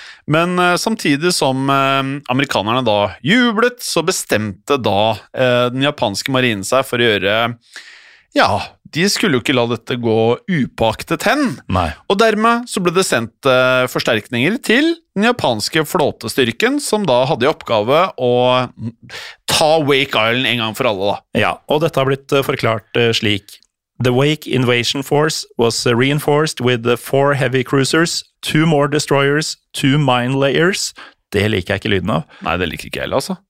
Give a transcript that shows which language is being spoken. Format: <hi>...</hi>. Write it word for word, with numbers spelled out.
<no>Men eh, samtidig som eh, amerikanerne da jublet, så bestemte da eh, den japanske marinen seg for å gjøre, ja, de skulle jo ikke la dette gå upåaktet hen. Nei. Og dermed så ble det sendt eh, forsterkninger til den japanske flåtestyrken, som da hadde i oppgave å ta Wake Island en gang for alle, da. Ja, og dette har blitt eh, forklart eh, slik.</no> <en>The Wake Invasion Force was reinforced with four heavy cruisers, two more destroyers, two mine layers.</en> <no>Det liker jeg ikke lyden av. Nei, det liker ikke jeg heller, altså.</no>